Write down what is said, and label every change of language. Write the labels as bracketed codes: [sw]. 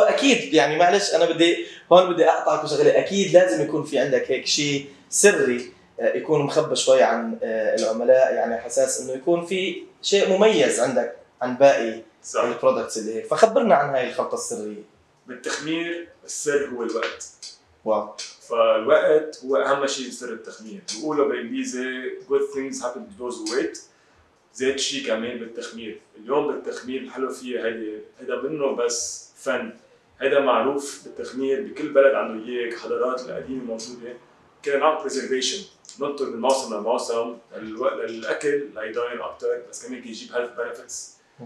[ar] اكيد يعني، معلش انا بدي اقطعك بشغلة، اكيد لازم يكون في عندك هيك شيء سري يكون مخبى شوي عن العملاء، يعني حساس انه يكون في شيء مميز عندك عن باقي البرودكتس اللي هيك. فخبرنا عن هاي الخلطة السرية. بالتخمير السر هو الوقت. واو. فالوقت هو اهم شيء بسر التخمير. بيقولوا بالانجليزي [en] good things happen to those who wait. [ar] زاد شيء كمان بالتخمير، اليوم بالتخمير الحلو فيه هذا منه بس فن، هذا معروف بالتخمير بكل بلد عنده هيك حضارات القديمه موجوده. كان عم بريزرفيشن، ننطر من موسم لموسم للاكل ليداين اكثر، بس كمان يجيب هيلث بنفيتس.